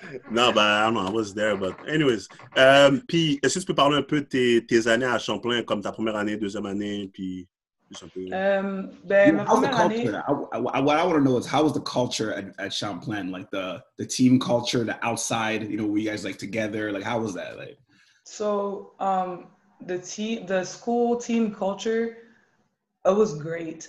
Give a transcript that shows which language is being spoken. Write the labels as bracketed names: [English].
[French] Non, ben, [English] I don't know, I was there, but anyways. [French] Puis, est-ce que tu peux parler un peu de tes années à Champlain, comme ta première année, deuxième année, puis... [English] What I want to know is how was the culture at Champlain, like the team culture, the outside, you know, were you guys like together, like how was that? Like, so the school team culture, it was great.